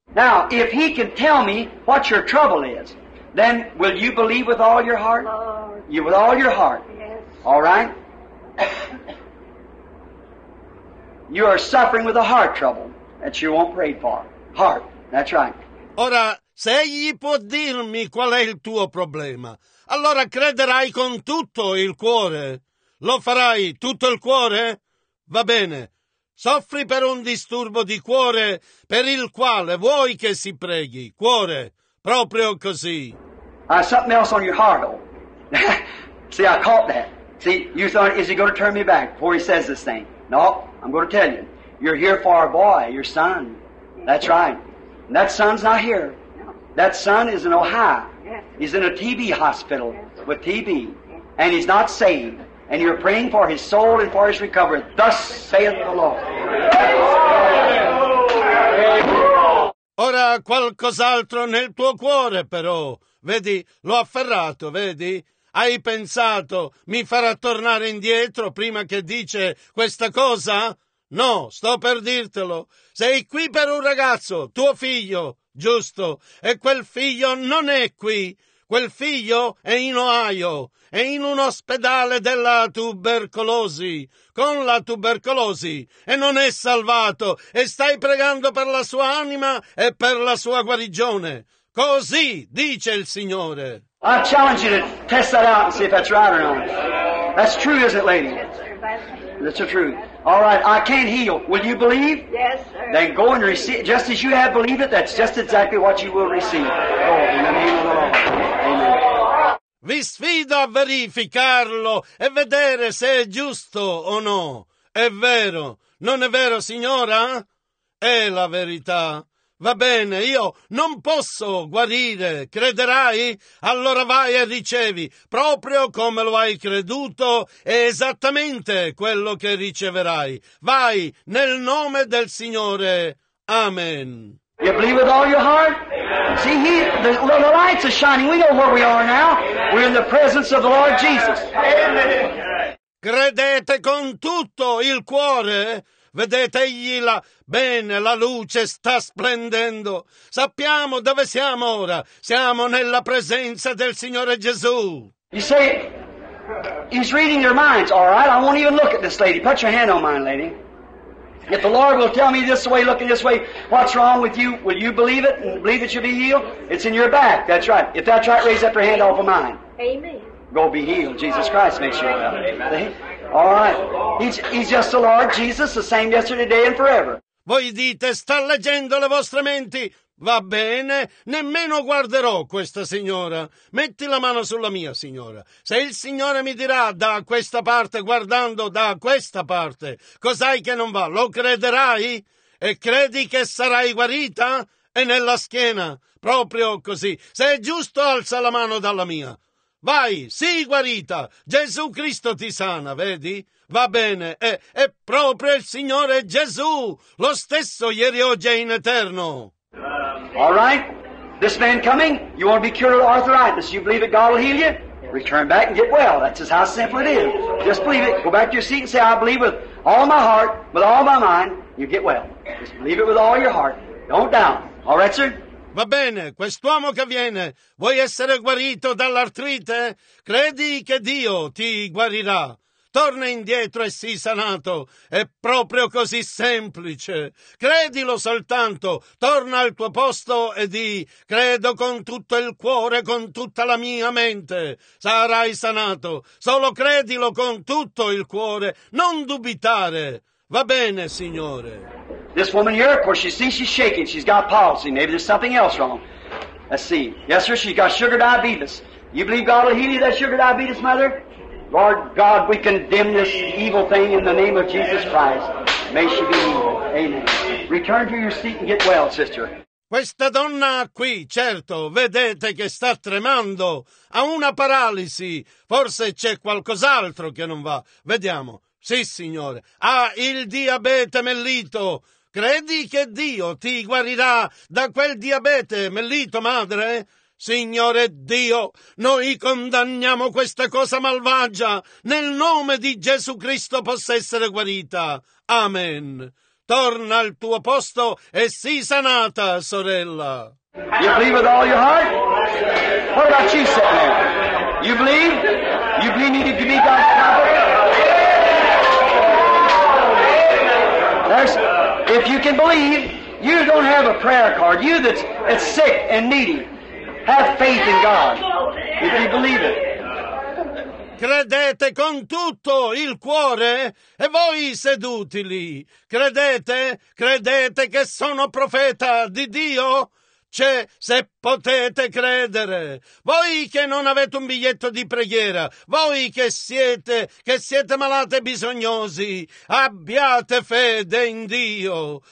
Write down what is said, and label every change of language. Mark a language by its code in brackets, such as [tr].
[en] Now, if he can tell me what your trouble is, then will you believe with all your heart? Lord. You with all your heart. Yes. All right? You are suffering with a heart trouble that you won't pray for. Heart. That's right. [it] Ora, se egli può dirmi qual è il tuo problema, allora crederai con tutto il cuore. Lo farai tutto il cuore? Va bene. Soffri per un disturbo di cuore per il quale vuoi che si preghi. Cuore, proprio così. [en] Something else on your heart, though. See, I caught that. See, you thought, is he going to turn me back before he says this thing? No, I'm going to tell you. You're here for our boy, your son. That's right. And that son's not here. That son is in Ohio. He's in a TB hospital with TB. And he's not saved. And you're praying for his soul and for his recovery. Thus saith the Lord. [it] Ora qualcos'altro nel tuo cuore, però. Vedi, l'ho afferrato, vedi? Hai pensato, mi farà tornare indietro prima che dice questa cosa? No, sto per dirtelo. Sei qui per un ragazzo, tuo figlio, giusto? E quel figlio non è qui. Quel figlio è in Ohio, è in un ospedale della tubercolosi, con la tubercolosi, e non è salvato, e stai pregando per la sua anima e per la sua guarigione. Così dice il Signore. [en] I challenge you to test that out and see if that's right or not. That's true, isn't it, lady? That's the truth. All right, I can't heal. Will you believe? Yes, sir. Then go and receive. Just as you have believed it, that's just exactly what you will receive. Go in the name of the Lord. [it] Vi sfido a verificarlo e vedere se è giusto o no. È vero. Non è vero, signora? È la verità. Va bene, io non posso guarire. Crederai? Allora vai e ricevi, proprio come lo hai creduto, è esattamente quello che riceverai. Vai, nel nome del Signore. Amen. [en] You believe with all your heart? See, the lights are shining. We know where we are now. We're in the presence of the Lord Jesus. Amen. [it] Credete con tutto il cuore? Vedete egli là? Bene, la luce sta splendendo. Sappiamo dove siamo ora. Siamo nella presenza del Signore Gesù. [en] You say, he's reading your minds, all right? I won't even look at this lady. Put your hand on mine, lady. If the Lord will tell me this way, looking this way, what's wrong with you? Will you believe it and believe that you'll be healed? It's in your back. That's right. If that's right, raise up your hand off of mine. Amen. Go be healed. Jesus Christ makes you well. Amen. All right. He's just the Lord Jesus, the same yesterday, today, and forever. [it] Voi dite, sta leggendo le vostre menti. Va bene, nemmeno guarderò questa signora. Metti la mano sulla mia, signora. Se il Signore mi dirà da questa parte, guardando da questa parte, cos'hai che non va? Lo crederai? E credi che sarai guarita? E nella schiena, proprio così. Se è giusto, alza la mano dalla mia. Vai, sii guarita. Gesù Cristo ti sana, vedi? Va bene, è proprio il Signore Gesù, lo stesso ieri, oggi e in eterno. [en] All right, this man coming, you want to be cured of arthritis, you believe that God will heal you? Return back and get well. That's just how simple it is. Just believe it. Go back to your seat and say, I believe with all my heart, with all my mind, you get well. Just believe it with all your heart. Don't doubt. All right, sir? [it] Va bene, quest'uomo che viene, vuoi essere guarito dall'artrite? Credi che Dio ti guarirà. Torna indietro e sii sanato. È proprio così semplice. Credilo soltanto. Torna al tuo posto e di credo con tutto il cuore, con tutta la mia mente. Sarai sanato. Solo credilo con tutto il cuore. Non dubitare. Va bene, Signore. [en] This woman here, of course, she sees she's shaking. She's got palsy. Maybe there's something else wrong. Let's see. Yes, sir, she's got sugar diabetes. You believe God will heal you that sugar diabetes, mother? Lord God, we condemn this evil thing in the name of Jesus Christ. May she be healed. Amen. Return to your seat and get well, sister. [it] Questa donna qui, certo, vedete che sta tremando. Ha una paralisi. Forse c'è qualcos'altro che non va. Vediamo. Sì, signore. Ha il diabete mellito. Credi che Dio ti guarirà da quel diabete mellito, madre? Signore Dio, noi condanniamo questa cosa malvagia. Nel nome di Gesù Cristo possa essere guarita. Amen. Torna al tuo posto e sii sanata, sorella. [en] You believe with all your heart? What about you, sister? You believe? You believe you need to be God's prophet? If you can believe, You don't have a prayer card. You that's sick and needy, have faith in God if you believe it. [it] Credete con tutto il cuore e voi seduti lì. Credete, credete che sono profeta di Dio? C'è, se potete credere. Voi che non avete un biglietto di preghiera, voi che siete malati e bisognosi, abbiate fede in Dio.